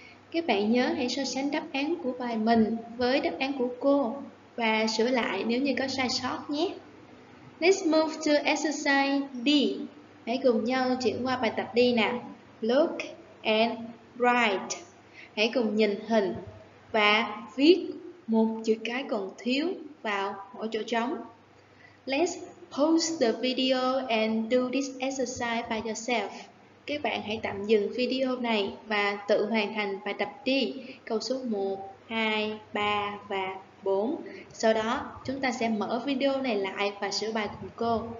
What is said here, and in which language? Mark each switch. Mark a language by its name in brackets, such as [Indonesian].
[Vietnamese] Các bạn nhớ hãy so sánh đáp án của bài mình với đáp án của cô và sửa lại nếu như có sai sót nhé. [English] Let's move to exercise D. [Vietnamese] Hãy cùng nhau chuyển qua bài tập D nào. [English] Look and write. [Vietnamese] Hãy cùng nhìn hình và viết một chữ cái còn thiếu vào mỗi chỗ trống. [English] Let's pause the video and do this exercise by yourself. [Vietnamese] Các bạn hãy tạm dừng video này và tự hoàn thành bài tập đi. Câu số 1, 2, 3 và 4. Sau đó, chúng ta sẽ mở video này lại và sửa bài cùng cô.